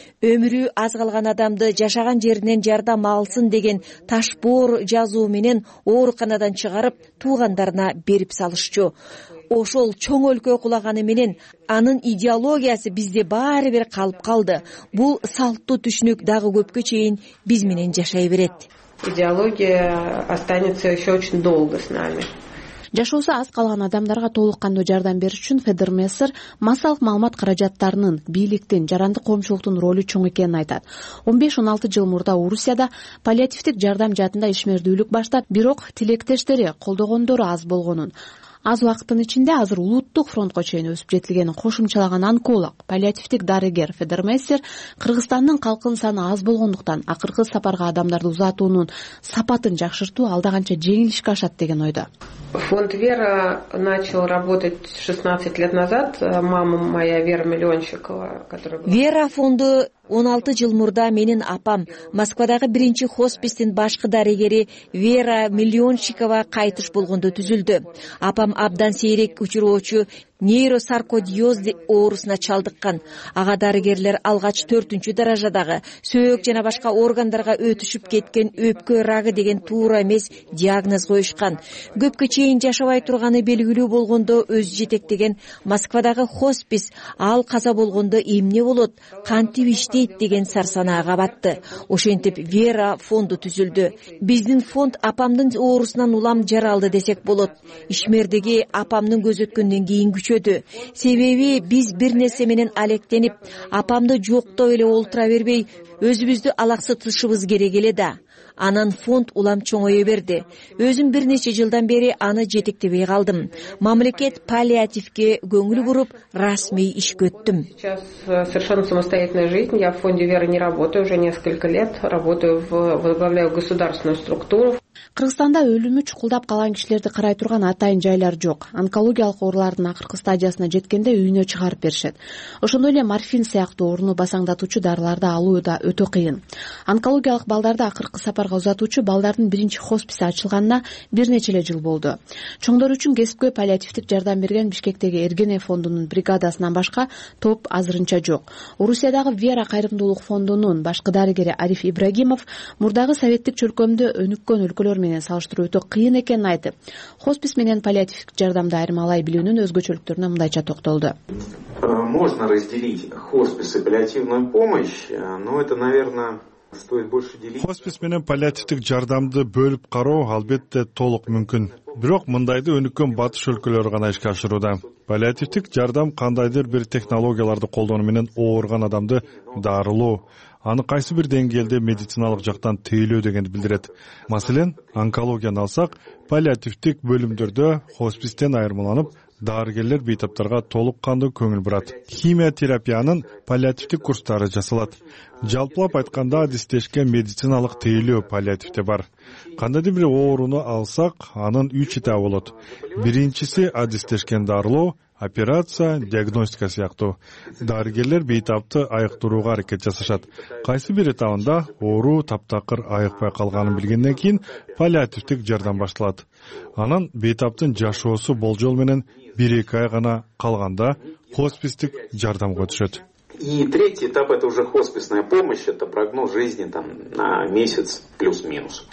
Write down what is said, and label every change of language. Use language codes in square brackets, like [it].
[ky] Өмүрү аз калган адамды жашаган жеринен жардам алсын деген ташбоор жазуу менен ооруканадан чыгарып туугандарына берип салышчу. Ошол чоң өлкө кулаганы менен анын идеологиясы бизде баары бир калып калды. Бул салттуу түшүнүк дагы көпкө чейин биз менен жашай берет. [ru] Идеология останется еще очень долго с нами. [ky] Жашоосу аз калган адамдарга толуккандуу жардам бериш үчүн Федермессер массалык маалымат каражаттарынын, бийликтин, жарандык коомчулуктун ролу чоң экенин айтат. 15-16 жыл мурда Орусияда паллиативдик жардам жаатында ишмердүүлүк баштап, бирок тилектештери, колдогондору аз болгонун. Аз убакыттын ичинде азыр улуттук фронтко чейин өсүп жетилгенин кошумчалаган онколог, паллиативдик дарыгер Федермессер Кыргызстандын калкын саны аз болгондуктан акыркы сапарга адамдарды узатуунун сапатын жакшыртуу алда канча жеңилишке ашат деген ойдо. [ru] Фонд Вера начал работать 16 лет назад. Мама моя Вера Миллионщикова, которая была. [ky] Вера фонду 16 жыл мурда менин апам Москвадагы биринчи хосписин башкы дарыгери Вера Миллионщикова кайтыш болгондо түзүлдү. Апам абдан сейрек учуроочу нейросаркодиоз оорусуна чалдыккан. Ага дарыгерлер алгач 4-чү даражадагы сөөк жана башка органдарга өтүшүп кеткен өпкө рагы деген туура эмес диагноз коюшкан. Көпкө чейин жашабай турганы белгилүү болгондо өзү жетектеген Москвадагы хоспис ал каза болгондо эмне болот, кантип иштейт деген сарсанага батты. Ошентип Вера фонду түзүлдү. Биздин фонд апамдын оорусунан улам жаралды десек болот. Ишмердеги апамдын көзөткөндөн кийин күчөдү. Себеби биз бир нерсе менен алектенип, апамды жоктоп эле олтура бербей, өзүбүздү алаксытышыбыз керек эле да. Анан фонд улам чоңое берди. Өзүм бир нече жылдан бери аны жетектебей калдым. Мамлекет паллиативге көңүл буруп, расмий иш көттүм. [ru] Сейчас совершенно самостоятельная жизнь. Я в фонде Веры не работаю уже несколько лет. Работаю в возглавляю государственную структуру. [ky] Кыргызстанда өлүмү чукулдап калган кишилерди карай турган атайын жайлар жок. Онкологиялык оорулардын акыркы стадиясына жеткенде үйүнө чыгарып беришет. Ошондой эле морфин сыяктуу ооруну басаңдатуучу дарыларды алуу да өтө кыйын. Онкологиялык балдарды акыркы сапарга узатуучу балдардын биринчи хосписи ачылганына бир нече эле жыл болду. Чоңдор үчүн кесипке паллиативдик жардам берген Бишкектеги Эргене фондунун бригадасынан башка топ азырынча жок. Орусиядагы Вера кайрымдуулук фондунун башкы дарыгери Ариф Ибрагимов мурдагы советтик чөлкөмдө өнүккөн өлкөлөр менен салыштыруу өтө кыйын экенин айтып, хоспис менен паллиативдик жардамды айырмалай билүүнүн өзгөчөлүктөрүнө мындайча токтолду. [ru] Можно разделить хоспис и паллиативную помощь, но это, наверное, [ky] хоспис менен паллиативдик жардамды бөлүп кароо албетте толук мүмкүн. Бирок мындайды өнүккөн батыш өлкөлөрү гана ишке ашырууда. Паллиативдик жардам кандайдыр бир технологияларды колдонуу менен ооруган адамды дарылоо, аны кайсы бир деңгээлде медициналык жактан тейлөө дегенди билдирет. Маселен, онкологияны алсак, паллиативдик бөлүмдөрдө хосписттен айырмаланып, дарыгерлер бейтаптарга толук кандуу көңүл бурат. Химиотерапиянын паллиативдик курстары жасалат. Жалпылап айтканда, адистешкен медициналык тейлөө паллиативде бар. Кандайдыр бир ооруну алсак, анын 3 этабы болот. Биринчиси адистешкен дарылоо, операция, диагностика сыяктуу. Дарыгерлер бейтапты айыктырууга аракет жасашат. Кайсы бир этабында ооруу таптакыр айыкпай калганын билгенден кийин паллиативдик жардам башталат. Анан бейтаптын жашоосу болжол менен 1-2 ай гана калганда хосписттик жардамга өтүшөт. [ru] И третий этап это уже хосписная помощь, это прогноз жизни там на месяц плюс-минус.